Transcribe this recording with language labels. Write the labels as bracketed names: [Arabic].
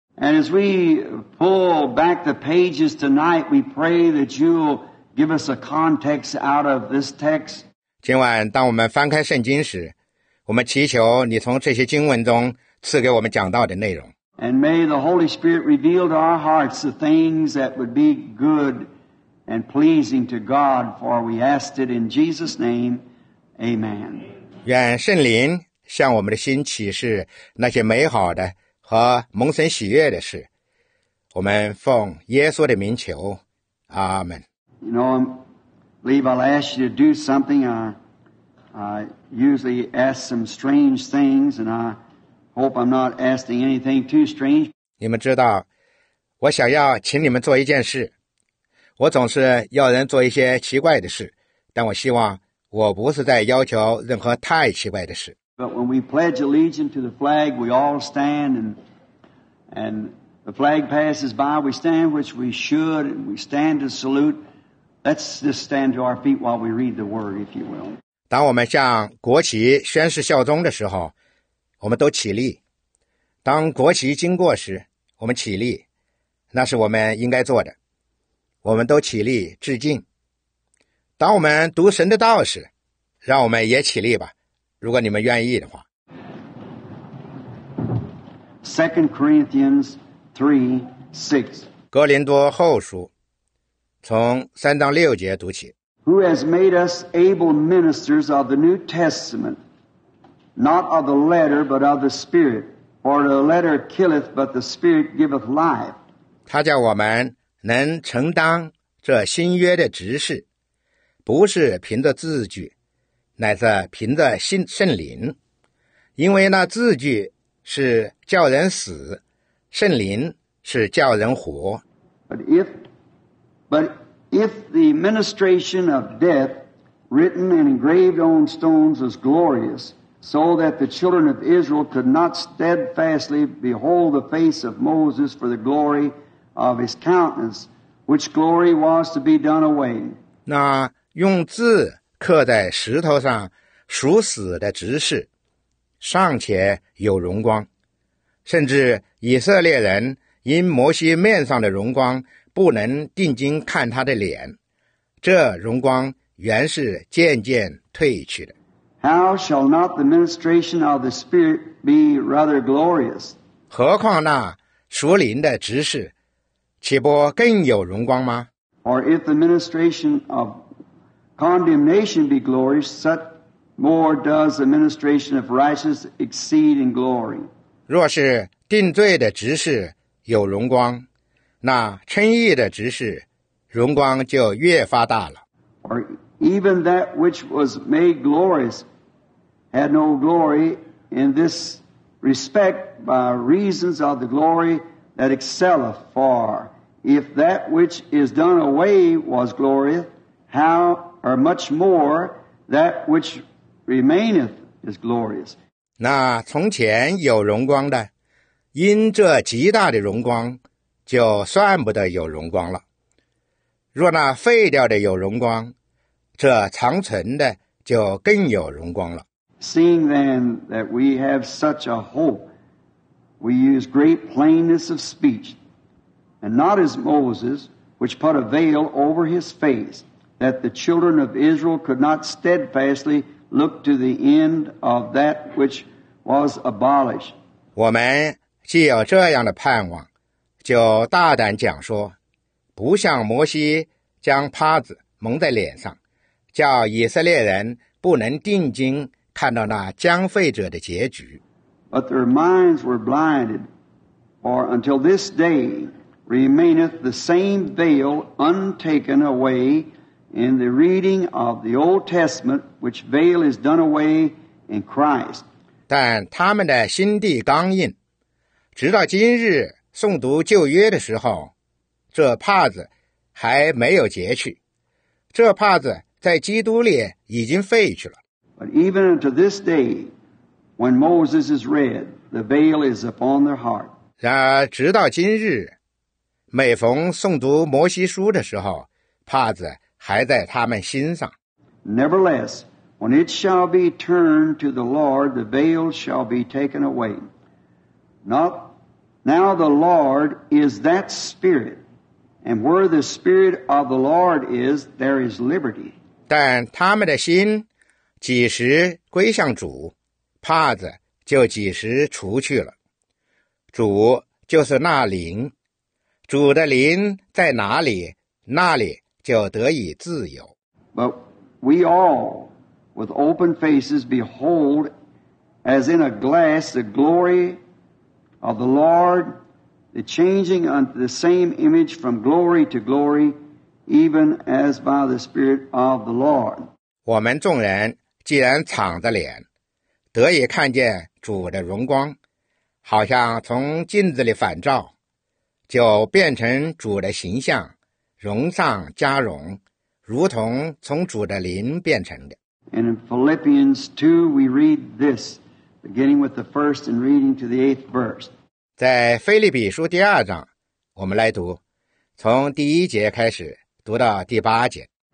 [English] And as we pull back the pages tonight, we pray that you'll give us a context out of this text. [Chinese] 今晚当我们翻开圣经时，我们祈求你从这些经文中赐给我们讲道的内容。 [English] And may the Holy Spirit reveal to our hearts the things that would be good and pleasing to God, for we ask it in Jesus' name, Amen. [Chinese] 愿圣灵向我们的心启示那些美好的和蒙神喜悦的事，我们奉耶稣的名求，阿们。 [English] You know, I believe I'll ask you to do something. I usually ask some strange things, and I hope I'm not asking anything too strange. [Chinese] 你们知道，我想要请你们做一件事。我总是要人做一些奇怪的事，但我希望我不是在要求任何太奇怪的事。 [English] But when we pledge allegiance to the flag, we all stand, and the flag passes by, we stand, which we should, and we stand to salute. Let's just stand to our feet while we read the word, if you will. [Chinese] 当我们向国旗宣誓效忠的时候，我们都起立。当国旗经过时，我们起立，那是我们应该做的。我们都起立致敬。当我们读神的道时，让我们也起立吧，如果你们愿意的话。 [English] 2 Corinthians 3:6 [Chinese] 哥林多后书从三章六节读起。 [English] Who has made us able ministers of the New Testament, not of the letter, but of the Spirit? For the letter killeth, but the Spirit giveth life. [Chinese] 他叫我们能承担这新约的职事，不是凭着字句，乃是凭着圣灵，因为那字句是叫人死，圣灵是叫人活。 [English] But if the ministration of death written and engraved on stones is glorious, so that the children of Israel could not steadfastly behold the face of Moses for the gloryOf his countenance, which glory was to be done away. [Chinese] 那用字刻在石头上属死的执事尚且有荣光，甚至以色列人因摩西面上的荣光不能定睛看他的脸，这荣光原是渐渐褪去的。 [English] How shall not the ministration of the Spirit be rather glorious? [Chinese] 何况那属灵的执事岂不更有荣光吗？ [English] Or if the ministration of condemnation be glorious, such more does the ministration of righteousness exceed in glory. [Chinese] 若是定罪的执事有荣光，那称义的执事荣光就越发大了。 [English] Or even that which was made glorious had no glory in this respect by reasons of the glory that excelleth far. If that which is done away was glorious, how or much more that which remaineth is glorious. [Chinese] 那从前有荣光的，因这极大的荣光，就算不得有荣光了。若那废掉的有荣光，这长存的就更有荣光了。 [English] Seeing then that we have such a hope, we use great plainness of speech.And not as Moses, which put a veil over his face, that the children of Israel could not steadfastly look to the end of that which was abolished. [Chinese] 我们既有这样的盼望，就大胆讲说，不像摩西将帕子蒙在脸上，叫以色列人不能定睛看到那将废者的结局。 [English] But their minds were blinded, for until this day remaineth the same veil untaken away in the reading of the Old Testament, which veil is done away in Christ. [Chinese] 但他们的心地刚硬，直到今日诵读旧约的时候，这帕子还没有揭去，这帕子在基督里已经废去了。 [English] But even unto this day, when Moses is read, the veil is upon their heart. [Chinese] 然而直到今日，每逢诵读摩西书的时候，帕子还在他们心上。 [English] Nevertheless, when it shall be turned to the Lord, the veil shall be taken away. Now the Lord is that Spirit, and where the Spirit of the Lord is, there is liberty. [Chinese] 但他们的心几时归向主，帕子就几时除去了。主就是那灵，主的灵在哪里，那里就得以自由。 [English] But we all, with open faces, behold, as in a glass, the glory of the Lord, the changing unto the same image from glory to glory, even as by the Spirit of the Lord. [Chinese] 我们众人既然敞着脸，得以看见主的荣光，好像从镜子里反照，就变成主的形象，荣上加荣，如同从主的灵变成的。 [English] And in Philippians 2, we read this, beginning with the first and reading to the eighth verse. [Chinese] 在腓立比书第二章，我们来读，从第一节开始，读到第八节。